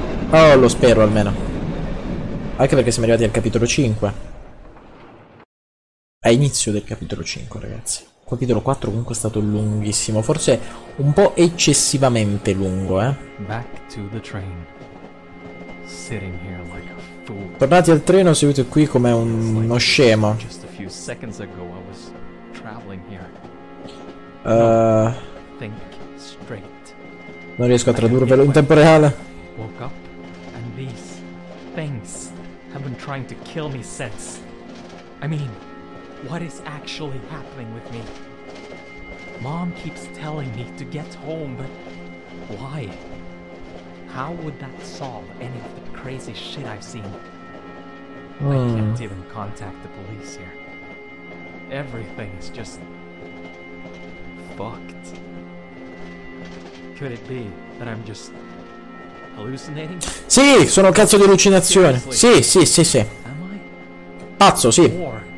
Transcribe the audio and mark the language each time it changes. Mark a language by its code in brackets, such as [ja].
[it] Oh, lo spero almeno. Anche perché siamo arrivati al capitolo 5. È inizio del capitolo 5, ragazzi. Il capitolo 4 comunque è stato lunghissimo, forse un po' eccessivamente lungo, eh. [en] Back to the train. Sitting here like a fool. [it] Tornati al treno, seduto qui come uno scemo. [en] Just a few seconds ago I was traveling here. Think straight. [it] Non riesco a tradurvelo in tempo reale. [en] Woke up and these things have been trying to kill me since. I mean, what is actually happening with me? Mom keeps telling me to get home, but why? How would that solve any of the crazy shit I've seen? I can't even contact the police here. Everything is just fucked. Could it be that I'm just hallucinating? [it] Sì, sono un cazzo di allucinazione. Sì, sì, sì, sì. Pazzo, sì.